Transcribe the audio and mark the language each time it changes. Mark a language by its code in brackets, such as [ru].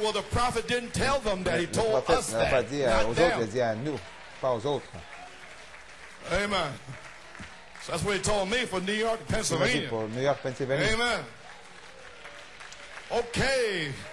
[en] Well, the prophet didn't tell them that he told us that. [fr] Le prophète n'a pas dit aux autres, il a dit à nous, pas aux autres. [en] Amen. So that's what he told me for New York, Pennsylvania. [fr] Pour New York, Pennsylvania. [en] Amen. Okay.